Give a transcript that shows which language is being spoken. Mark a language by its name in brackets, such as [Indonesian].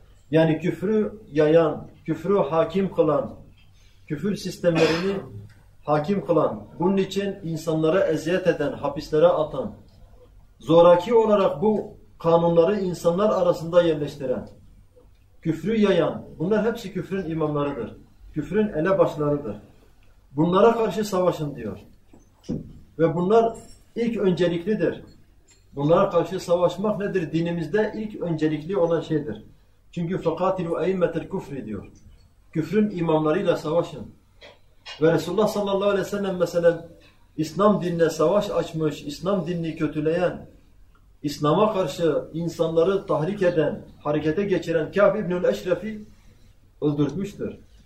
[Turkish] Yani küfrü yayan, küfrü hakim kılan, küfür sistemlerini hakim kılan, bunun için insanlara eziyet eden, hapislere atan, zoraki olarak bu kanunları insanlar arasında yerleştiren, küfrü yayan, bunlar hepsi küfrün imamlarıdır. Küfrün elebaşlarıdır. Bunlara karşı savaşın diyor. Ve bunlar ilk önceliklidir. Bunlara karşı savaşmak nedir? Dinimizde ilk öncelikli olan şeydir. Çünkü [Arabic] فَقَاتِلُوا اَيْمَّةِ الْكُفْرِ [Turkish] diyor. Küfrün imamlarıyla savaşın. Ve Resulullah sallallahu aleyhi ve sellem mesela İslam dinine savaş açmış, İslam dinini kötüleyen, İslam'a karşı insanları tahrik eden, harekete geçiren Kâb İbnül Eşref'i öldürtmüştür.